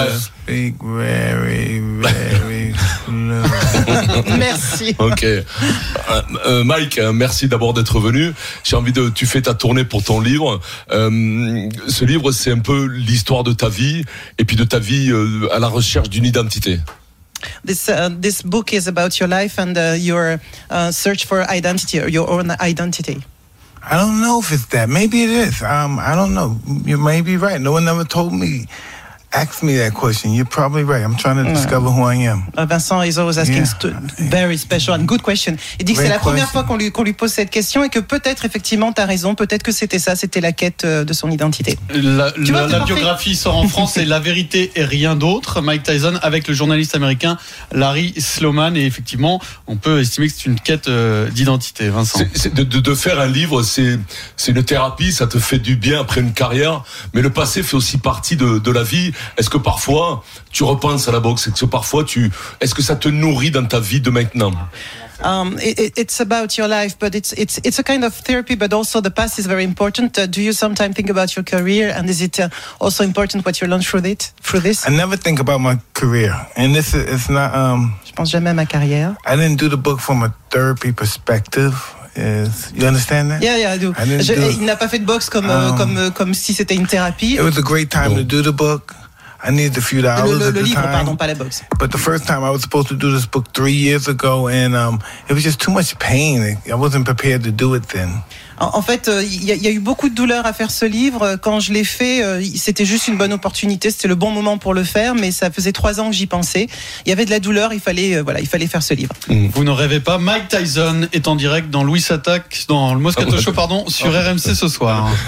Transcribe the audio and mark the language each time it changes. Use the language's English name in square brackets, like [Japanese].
[English] Speak very, very slowly. [French] Merci. Ok. Mike, merci d'abord d'être venu. J'ai envie de. Tu fais ta tournée pour ton livre. Ce livre, c'est un peu l'histoire de ta vie et puis de ta vie à la recherche d'une identité. [English] This book is about your life and your search for identity, your own identity. I don't know if it's that. Maybe it is. I don't know. You may be right. No one ever asked me that question. You're probably right. I'm trying to discover who I am. Vincent is always asking very special and good question. [French] Il dit que c'est la première fois qu'on lui pose cette question et que peut-être, effectivement, t'as raison. Peut-être que c'était ça, c'était la quête de son identité. La biographie sort en France et La vérité est rien d'autre. Mike Tyson avec le journaliste américain Larry Sloman. Et effectivement, on peut estimer que c'est une quête d'identité, Vincent. C'est de faire un livre, c'est une thérapie, ça te fait du bien après une carrière. Mais le passé fait aussi partie de la vie. Est-ce que parfois tu repenses à la boxe? Est-ce que ça te nourrit dans ta vie de maintenant? [English] It's about your life, but it's a kind of therapy. But also, the past is very important. Do you sometimes think about your career? And is it also important what you learned through it? Through this? I never think about my career, and this is it's not. [French] Je pense jamais à ma carrière. [English] I didn't do the book from a therapy perspective. Yes. You understand that? Yeah, I do. [French] Il n'a pas fait de boxe comme si c'était une thérapie. [English] It was a great time to do the book. I needed a few dollars [French] le [English] at the [French] livre, [English] time. [French] Pardon, pas la boxe. [English] But the first time I was supposed to do this book 3 years ago, and it was just too much pain. I wasn't prepared to do it then. [French] En fait, il y a eu beaucoup de douleur à faire ce livre. Quand je l'ai fait, c'était juste une bonne opportunité. C'était le bon moment pour le faire, mais ça faisait 3 ans que j'y pensais. Il y avait de la douleur. Il fallait faire ce livre. Mmh. Vous n'en rêvez pas. Mike Tyson est en direct dans Louis Attack, dans le Moscato Show, pardon, sur RMC ce soir.